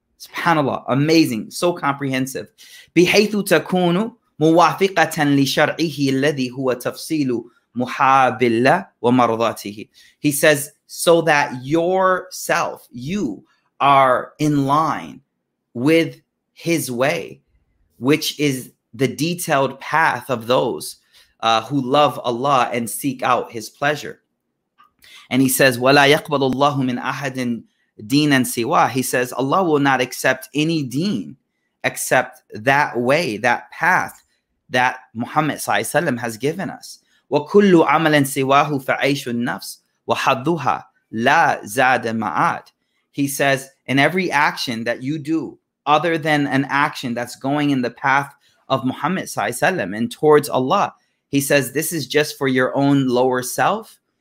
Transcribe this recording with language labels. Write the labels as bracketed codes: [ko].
[en] SubhanAllah, amazing, so comprehensive. [ar] بِحَيْثُ تَكُونُ مُوَافِقَةً لِشَرْعِهِ الَّذِي هُوَ تَفْصِيلُ مُحَابِ اللَّهِ وَمَرْضَاتِهِ. [en] He says, so that yourself, you are in line with his way, which is the detailed path of those who love Allah and seek out his pleasure. And he says, [ar] وَلَا يَقْبَلُ اللَّهُ مِنْ أَحَدٍ دِينًا سِوَىٰ. [en] He says, Allah will not accept any deen except that way, that path that Muhammad sallallahu alayhi wa sallam has given us. [ar] وَكُلُّ عَمَلًا سِوَاهُ فَعَيْشُ النَّفْسِ وَحَدُّهَا لَا زَادَ مَعَادٍ. [en] He says, in every action that you do, other than an action that's going in the path of Muhammad sallallahu alayhi wa sallam and towards Allah, he says, this is just for your own lower self.